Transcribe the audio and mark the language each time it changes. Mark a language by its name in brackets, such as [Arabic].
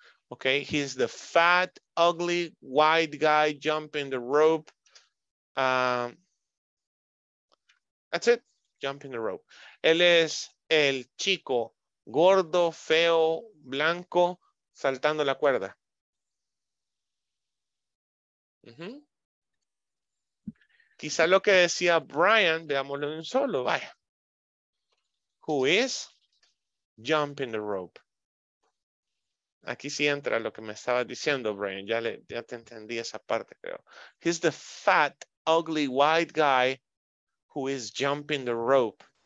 [English] Ok, he's the fat, ugly, white guy jumping the rope. That's it, jumping the rope. [Spanish] Él es el chico gordo, feo, blanco, saltando la cuerda. Uh-huh. Quizá lo que decía Brian, veámoslo en solo, vaya. [English] Who is jumping the rope? [Spanish] Aquí sí entra lo que me estabas diciendo, Brian. Ya te entendí esa parte, creo. [English] He's the fat, ugly, white guy who is jumping the rope.